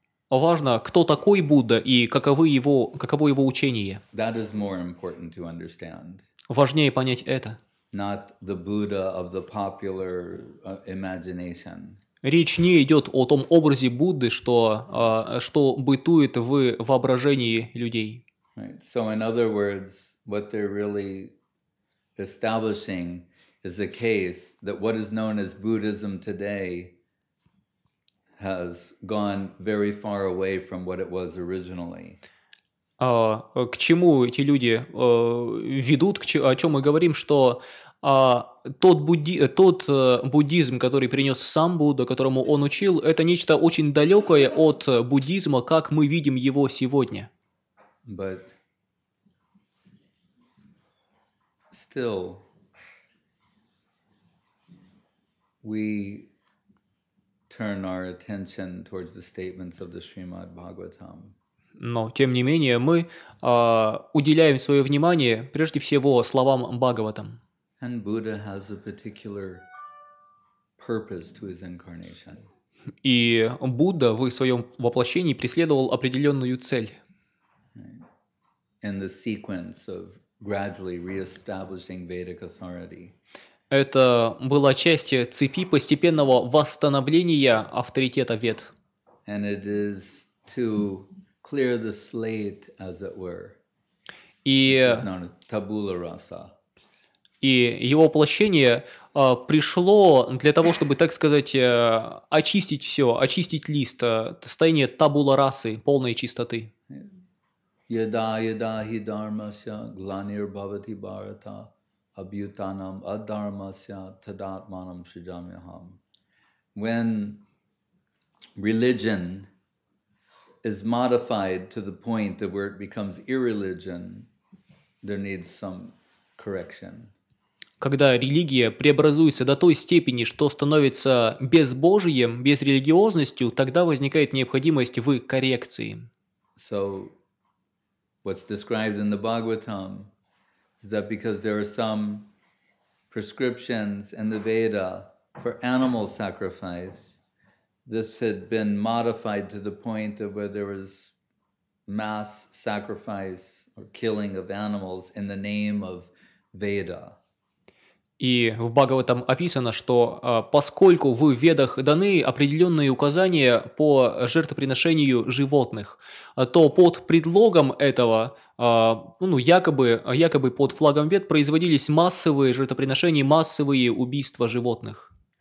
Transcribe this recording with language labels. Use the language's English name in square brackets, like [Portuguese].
[Russian] Важно, кто такой Будда и каково его учение. [English] That is more important to understand. [Russian] Важнее понять это. [English] Not the Buddha of the popular imagination. [Russian] Речь не идет о том образе Будды, что бытует в воображении людей. [English] Right. So in other words, what they're really establishing is a case that what is known as Buddhism today has gone very far away from what it was originally. [Russian] К чему эти люди ведут, о чем мы говорим, что тот буддизм, который принес сам Будда, которому он учил, это нечто очень далекое от буддизма, как мы видим его сегодня. [English] But still, we turn our attention towards the statements of the Srimad Bhagavatam. [Russian] Но, тем не менее, мы уделяем свое внимание прежде всего словам Бхагаватам. [English] And Buddha has a particular purpose to his incarnation. [Russian] И Будда в своем воплощении преследовал определенную цель. [English] In the sequence of gradually re-establishing Vedic authority. [Russian] Это была часть цепи постепенного восстановления авторитета Вед. [English] And it is to clear the slate, as it were. [Russian] И [Latin] tabula rasa. [Russian] И его воплощение пришло для того, чтобы, так сказать, очистить все, очистить лист, состояние табула расы, полной чистоты. [Sanskrit] Yada yada hi dharmasya glanir bhavati bharata abhyutanam adharmasya tadatmanam sujamyaham. [English] When religion is modified to the point that where it becomes irreligion, there needs some correction. [Russian] Когда религия преобразуется до той степени, что становится безбожием, безрелигиозностью, тогда возникает необходимость в коррекции. [English] So, what's described in the Bhagavatam is that because there are some prescriptions in the Veda for animal sacrifice, this had been modified to the point of where there was mass sacrifice or killing of animals in the name of Veda. [Russian] И в Бхагаватам описано, что поскольку в Ведах даны определенные указания по жертвоприношению животных, то под предлогом этого, якобы под флагом Вед производились массовые жертвоприношения, массовые убийства животных.